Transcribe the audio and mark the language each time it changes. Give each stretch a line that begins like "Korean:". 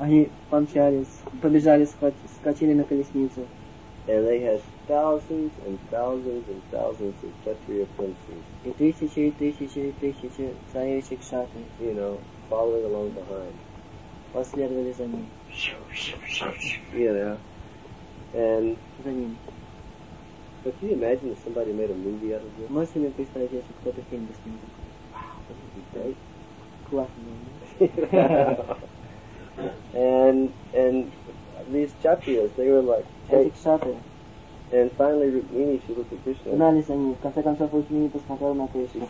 Russian: Они помчались, побежали, скачали на колесницу.
English: And they had thousands and thousands and thousands of Kshatriya princes.
Russian: И тысячи и тысячи и тысячи царевичей кшатри.
English: You know, following along behind.
Russian: Последовали за ним.
English: You know. And
Russian: за ним.
English: But can you imagine if somebody made a movie out of this?
Russian: Можете себе представить, если кто-то фильм бы снимал?
English: Wow, that would be great. and these Kshatriyas, they were like, hey. And finally Rukmini, she looked at Krishna.
Russian: В конце концов Рукмини посмотрела на Кришну.